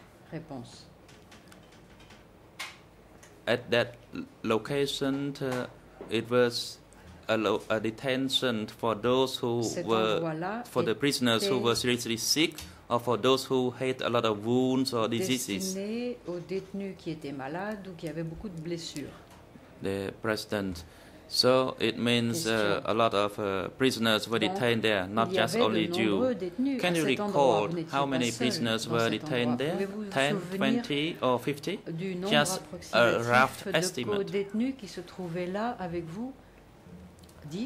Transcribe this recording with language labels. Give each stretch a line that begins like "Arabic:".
French: Réponse.
English: At that location, it was a detention for those who were for the prisoners who were seriously sick or for those who had a lot of wounds or diseases.
French: Aux détenus qui étaient malades ou qui avaient beaucoup de blessures.
English: The president. So it means a lot of prisoners were detained there, not just only you. Can you recall how many prisoners were detained there? 10, 20 or 50?
French: Du nombre
English: just a rough estimate.
French: Détenus qui se trouvaient là avec vous? 10,